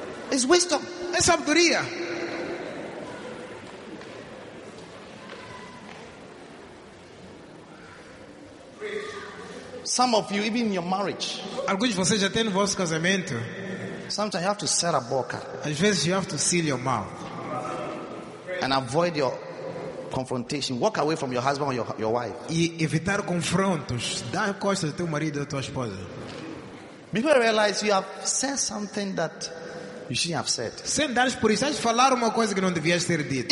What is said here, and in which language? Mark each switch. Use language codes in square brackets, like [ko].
[en] It's wisdom. [pt] É sabedoria. [en] Some of you, even in your marriage. [pt] Alguns de vocês já têm no vosso casamento. [en] Sometimes you have to set [pt] a boca. Às vezes [en] you have to seal your mouth. And avoid your confrontation. Walk away from your husband or your wife. [pt] E evitar confrontos. Dá a costa do teu marido ou tua esposa. [en] People realize you have said something that you shouldn't have said. [pt] Sem dar por isso, falar uma coisa que não devias ter dito.